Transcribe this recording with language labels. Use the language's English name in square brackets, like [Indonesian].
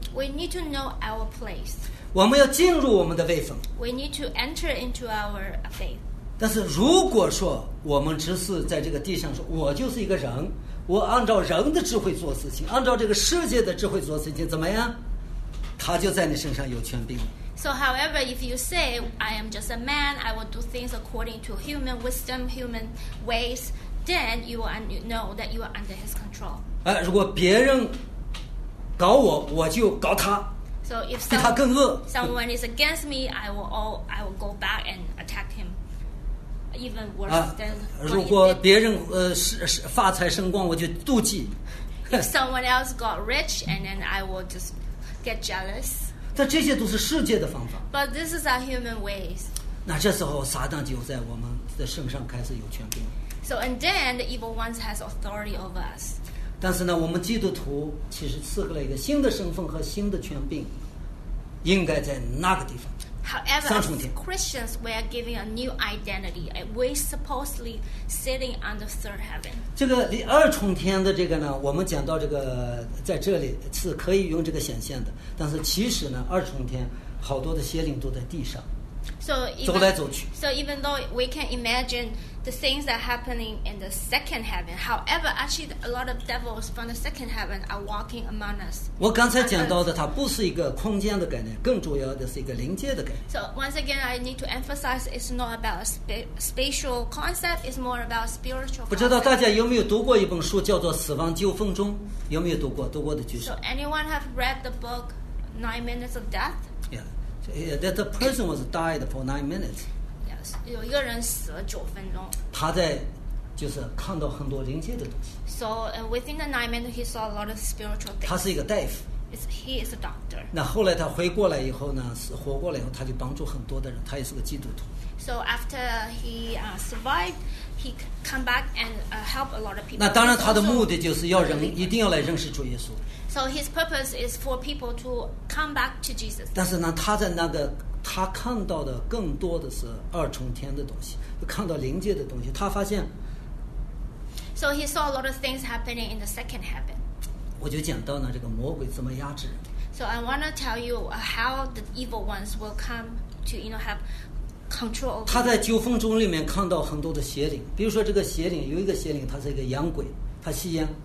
[English] We need to know our place. [Chinese] 我们要进入我们的位分。 [English] We need to enter into our faith. [Chinese] 但是如果说我们只是在这个地上说，我就是一个人，我按照人的智慧做事情，按照这个世界的智慧做事情，怎么样？他就在你身上有权柄。 [English] So however, if you say, I am just a man, I will do things according to human wisdom, human ways, then you will know that you are under his control. [Chinese] 如果别人搞我，我就搞他。 [English] So if someone is against me, I will go back and attack him. Even worse than what he did. [Chinese] 如果别人发财升官，我就妒忌。 [English] If someone else got rich, and then I will just get jealous. [Chinese] 但这些都是世界的方法。 [English] But this is our human ways. [Chinese] 那这时候撒旦就在我们的身上开始有权柄。 [English] So and then the evil ones has authority over us. [Chinese] 但是呢，我们基督徒其实赐给了一个新的身份和新的权柄，应该在那个地方。 [English] However, as Christians, we are given a new identity. We supposedly sitting on the third heaven. [Chinese] 这个第二重天的这个呢，我们讲到这个在这里是可以用这个显现的。但是其实呢，二重天好多的邪灵都在地上， [English] so、even, [Chinese] 走来走去。 [English] So even though we can imagine the things that are happening in the second heaven, however, actually a lot of devils from the second heaven are walking among us. [Chinese] 我刚才讲到的，它不是一个空间的概念，更主要的是一个灵界的概念。 [English] So once again, I need to emphasize, it's not about a spatial concept, it's more about spiritual concept. [Chinese] 不知道大家有没有读过一本书叫做《死亡九分钟》？有没有读过？读过的举手。 [English] So anyone have read the book Nine Minutes of Death? Yeah, that the person was died for 9 minutes. [Chinese] 有一个人死了九分钟，他在就是看到很多灵界的东西。 [English] So within the 9 minutes, he saw a lot of spiritual things. [Chinese] 他是一个大夫。 [English] He is a doctor. [Chinese] 那后来他回过来以后呢，是活过来以后，他就帮助很多的人。他也是个基督徒。 [English] So after he survived, he come back and help a lot of people. [Chinese] 那当然，他的目的就是要人一定要来认识主耶稣。 [English] So his purpose is for people to come back to Jesus. [Chinese] 但是呢，他在那个。他看到的更多的是二重天的东西，看到灵界的东西。他发现 [English] ，So he saw a lot of things happening in the second heaven. [Chinese] 我就讲到呢，这个魔鬼怎么压制人。 [English] So I want to tell you how the evil ones will come to, you know, have control. [Chinese] 他在九分钟里面看到很多的邪灵，比如说这个邪灵，有一个邪灵，他是一个洋鬼，他吸烟。